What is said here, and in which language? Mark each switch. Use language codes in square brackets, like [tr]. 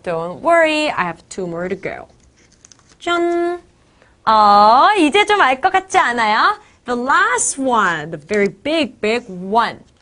[en] Don't worry, I have two more to go. [ko] 짠! 이제 좀 알 것 같지 않아요? [en] The last one, the very big, big one.